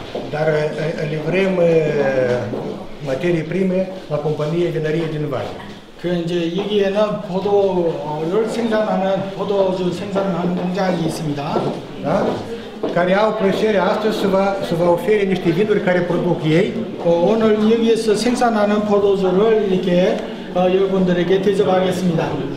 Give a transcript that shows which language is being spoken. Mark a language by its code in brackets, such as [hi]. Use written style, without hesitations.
[ro] Dar livrăm materii prime la companie Vinărie din Vale. [ko] 그 이제 여기에는 포도를 생산하는 포도주 생산하는 공장이 있습니다. [ro] Da? Care au plăcerea astăzi să vă ofere niște vinuri care produc ei. [ko] 오늘 여기에서 생산하는 포도주를 이렇게 여러분들에게 대접하겠습니다.